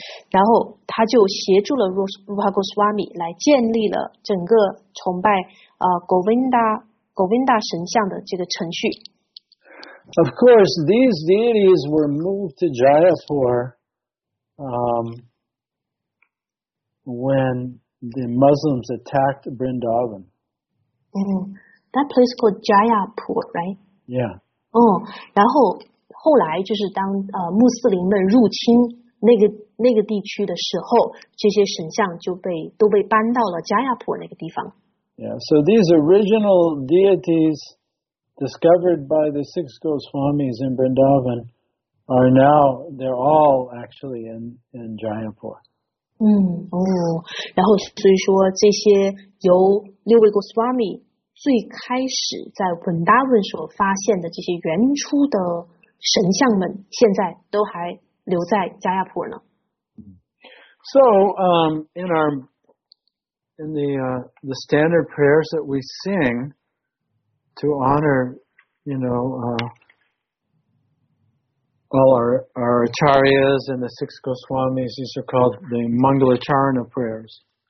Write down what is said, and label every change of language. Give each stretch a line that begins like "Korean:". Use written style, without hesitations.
Chinese: 然后他就协助了 Rupa Goswami 来建立了整个崇拜Govinda 神像的这个程序。
English: Of course, these deities were moved to Jayapur, when the Muslims attacked Vrindavan. That place called Jayapur, right? Yeah.
Chinese: 然后后来就是当穆斯林们入侵那个地区的时候，这些神像都被搬到了 Jayapur 那个地方。
English: Yeah. So these original deities discovered by the six Goswamis in Vrindavan are now they're all actually in Jayapur.
Chinese: 然后所以说这些由六位 Goswami最开始在文达文所发现的这些原初的神像们现在都还留在加亚普呢。
English: So, in the standard prayers that we sing to honor, you know, all our acharyas and the six Goswamis, these are called the Mangalacharana prayers.